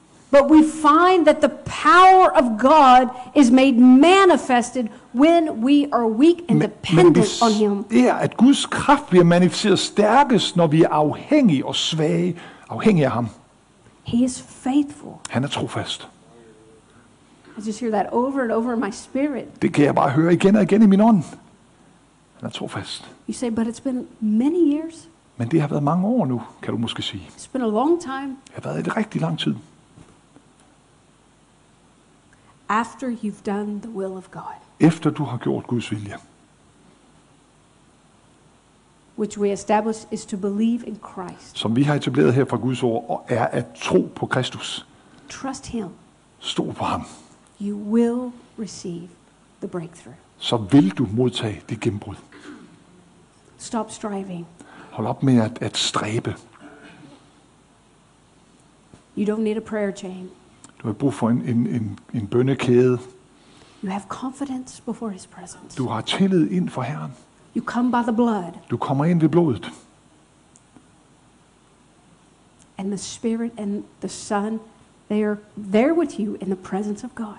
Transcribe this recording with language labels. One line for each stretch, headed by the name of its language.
English: But we find that the power of God is made manifested when we are weak and dependent on him.
Danish: Det er, at Guds kraft bliver manifesteret stærkest, når vi er afhængige og svage, afhængige af ham.
English: He is faithful.
Danish: Han er trofast.
English: I just hear that over and over in my spirit.
Danish: Det kan jeg bare høre igen og igen i min ånd. Han er trofast.
English: You say, but it's been many years.
Danish: Men det har været mange år nu, kan du måske sige.
English: It's been a long time.
Danish: Det har været et rigtig lang tid.
English: After you've done the will of God.
Danish: Efter du har gjort Guds vilje.
English: Which we establish is to believe in Christ.
Danish: Som vi har etableret her fra Guds ord, og er at tro på Kristus.
English: Trust him.
Danish: Stol på ham.
English: You will receive the breakthrough.
Danish: Så vil du modtage det gennembrud.
English: Stop striving.
Danish: Hold op med at stræbe.
English: You don't need a prayer chain.
Danish: Du har brug for en bønnekæde.
English: You have confidence before his presence.
Danish: Du har tillid ind for Herren.
English: You come by the blood.
Danish: Du kommer ind ved blodet.
English: And the Spirit and the Son, they are there with you in the presence of God.